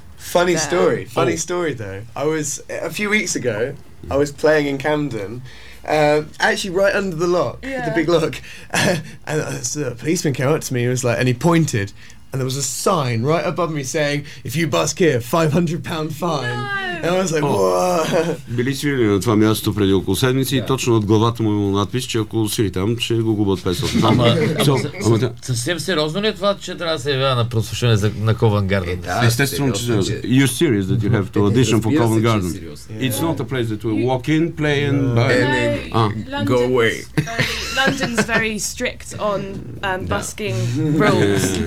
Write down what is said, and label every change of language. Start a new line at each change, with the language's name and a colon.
English: Funny story though. I was a few weeks ago. I was playing in Camden, actually right under the lock, the big lock, and a policeman came up to me. He was like, and he pointed, and there was a sign right above me saying, "If you busk here, £500 fine." No. And I was like, "Whoa!"
Bulgarian: Били свирили на това място преди около седмици и точно от главата му имало надпис, че ако свири там, ще го губят 500. Съвсем сериозно ли е това, че трябва да се явява на прослушване на Covent Garden? Естествено, че сериозно.
English: You're serious that you have to audition for Covent Garden? It's not a place that we walk in, play and buy. And then go away. London's very strict on busking rules.